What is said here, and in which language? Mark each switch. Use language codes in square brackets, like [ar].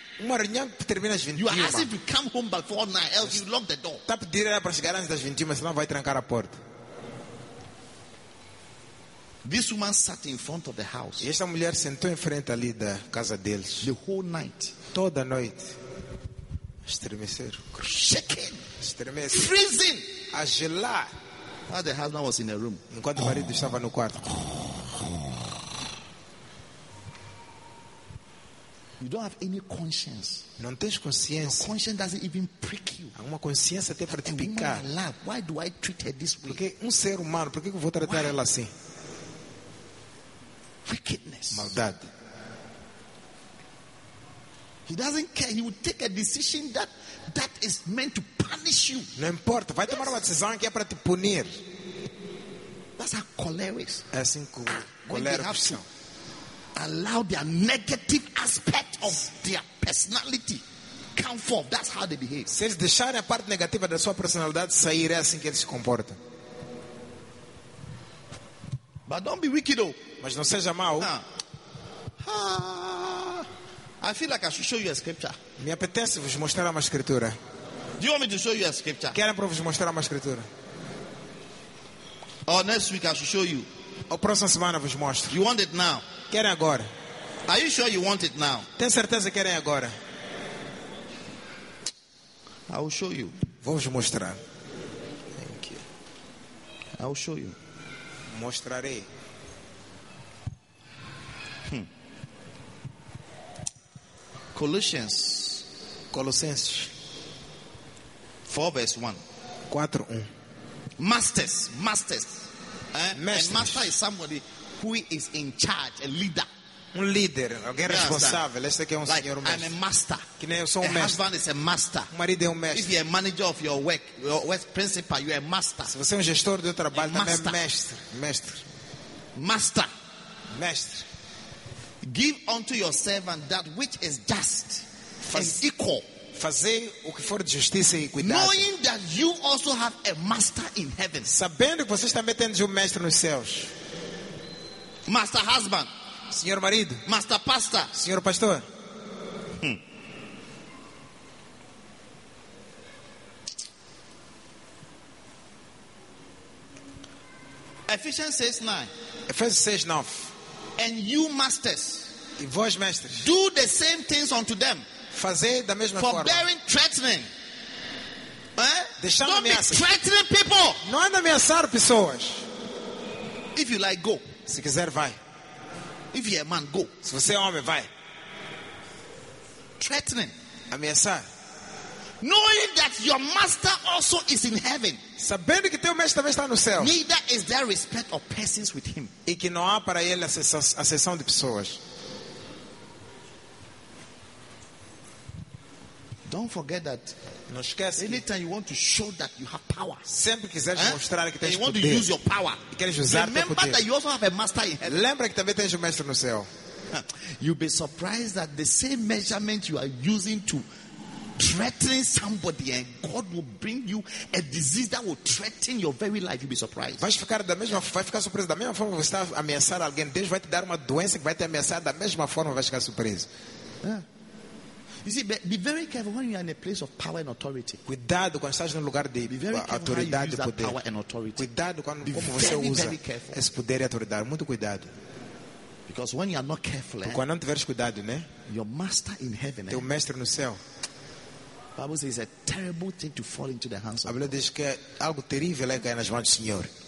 [en] You are as if you come home before night, else you lock the door. [pt] Tá pedir para chegar antes das 21, senão vai trancar a porta. [en] This woman sat in front of the house. [pt] E essa mulher sentou em frente ali da casa deles. [en] The whole night. [pt] Toda noite. Estremeceram. [en] Shaking. [pt] Estremeceram. [en] Freezing. [pt] A gelar. [en] The husband was in the room. [pt] Enquanto o marido estava no quarto. [en] You don't have any conscience. [pt] Não tens consciência. [en] Your conscience doesn't even prick you. [pt] Há uma consciência até para te picar. [en] Love, why do I treat her this way? [pt] Porque ser humano, por que eu vou tratar ela assim? [en] Wickedness. [pt] Maldade. [en] He doesn't care. He will take a decision that is meant to punish you. [pt] Não importa. Vai tomar uma decisão que é para te punir. [en] That's how choleric. [pt] É assim que coléricos são. [en] Allow their negative aspect of their personality come forth. That's how they behave. [pt] Se eles deixarem a parte negativa da sua personalidade sair, é assim que eles se comportam. [en] But don't be wicked, oh. [pt] Mas não seja mau. [en] I feel like I should show you a scripture. [pt] Me apetece vos mostrar uma escritura. [en] Do you want me to show you a scripture? [pt] Querem para vos mostrar uma escritura? [en] Or next week I should show you. [pt] Ou próxima semana vos mostro. [en] You want it now? [pt] Querem agora? [en] Are you sure you want it now? [pt] Tem certeza que querem agora? [en] I will show you. [pt] Vou vos mostrar. [en] Thank you. I will show you. [pt] Mostrarei. [en] Colossians 4 verse 1. 4:1. Masters. Mestres. A master is somebody who is in charge, a leader. [pt] Um líder, alguém responsável. Este aqui é senhor mestre. [en] I'm a master. [pt] Que nem eu sou mestre. [en] Husband is a master. [pt] O marido é mestre. [en] If you are a manager of your work, your work principal, you are a master. [pt] Se você é gestor do trabalho, também é mestre. Mestre. [en] Master. [pt] Mestre. [en] Give unto your servant that which is just and equal. [pt] Fazer o que for de justiça e equidade. [en] Knowing that you also have a master in heaven. [pt] Sabendo que vocês também têm um mestre nos céus. [en] Master husband. [pt] Senhor marido. [en] Master pastor. [pt] Senhor pastor. [en] Ephesians 6:9. And you masters. [pt] E vós, mestres, [en] do the same things unto them. [pt] Fazer da mesma forma. [en] Forbearing threatening. [pt] Deixando ameaças. [en] Don't be threatening people. [pt] Não anda ameaçar pessoas. [en] If you like, go. [pt] Se quiser, vai. [en] If you're a man, go. [pt] Se você é homem, vai. [en] Threatening. [pt] Ameaçar. [en] Knowing that your master also is in heaven. [pt] Sabendo que teu mestre também está no céu. [en] Neither is there respect of persons with him. [pt] E que não há para ele acessão de pessoas. [en] Don't forget that. [pt] Não esquece. [en] Anytime you want to show that you have power. [pt] Sempre quiseres mostrar que tens poder. [en] You want to use your power. [pt] E queres usar teu poder. [en] Remember that you also have a master in heaven. [pt] Lembra que também tens mestre no céu. [en] You'll be surprised that the same measurement you are using to threaten somebody and God will bring you a disease that will threaten your very life. You'll be surprised. [pt] Vai ficar surpreso da mesma forma que você está ameaçando alguém. Deus vai te dar uma doença que vai te ameaçar da mesma forma. Vai ficar surpreso. [en] You see, be very careful when you are in a place of power and authority. [pt] Cuidado quando estás num lugar de autoridade e poder. [en] Power and authority. [pt] Cuidado quando [en] be [pt] como [en] very, [pt] você usa [en] very [pt] esse poder e autoridade. Muito cuidado. [en] Because when you are not careful, [pt] porque quando não tiveres cuidado, né? [en] Your master in heaven, [pt] teu mestre no céu. [en] Bible says it's a terrible thing to fall into the hands of. [pt] A Bíblia diz que algo terrível é cair nas mãos do Senhor.